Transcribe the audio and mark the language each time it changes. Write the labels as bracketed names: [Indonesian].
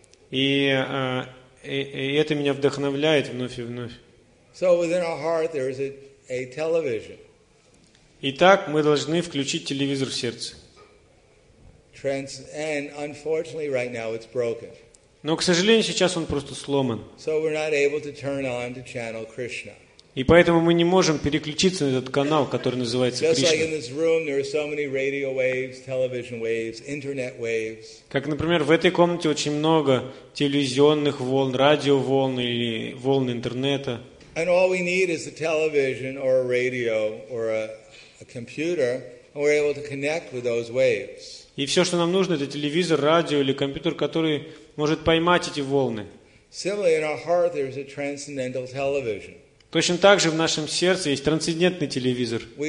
[Russian] И это меня вдохновляет вновь и вновь. Итак, мы должны включить телевизор в сердце. [English] And unfortunately, right now it's broken. [Russian] Но, к сожалению, сейчас он просто сломан. [English] So we're not able to turn on to channel Krishna. [Russian] И поэтому мы не можем переключиться на этот канал, который называется Кришна. [English] Just like in this room, there are so many radio waves, television waves, internet waves. [Russian] Как, например, в этой комнате очень много телевизионных волн, радиоволн или волн интернета. [English] And all we need is a television or a radio or a computer, and we're able to connect with those waves. [Russian] И все, что нам нужно, это телевизор, радио или компьютер, который может поймать эти волны. Точно так же в нашем сердце есть трансцендентный телевизор.